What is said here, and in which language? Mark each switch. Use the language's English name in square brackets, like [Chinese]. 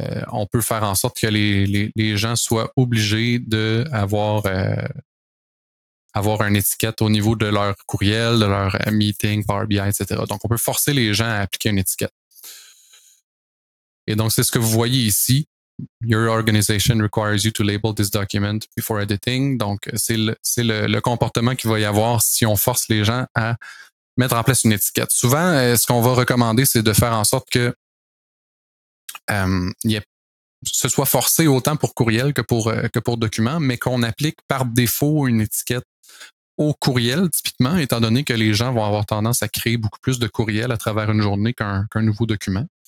[French] on peut faire en sorte que les gens soient obligés d'avoir avoir une étiquette au niveau de leur courriel, de leur meeting, Power BI, etc. Donc, on peut forcer les gens à appliquer une étiquette. Et donc, c'est ce que vous voyez ici. [English] Your organization requires you to label this document before editing. [French] Donc, c'est le comportement qu'il va y avoir si on force les gens à mettre en place une étiquette. Souvent, ce qu'on va recommander, c'est de faire en sorte que ce soit forcé autant pour courriel que pour document, mais qu'on applique par défaut une étiquette au courriel, typiquement, étant donné que les gens vont avoir tendance à créer beaucoup plus de courriels à travers une journée qu'un nouveau document.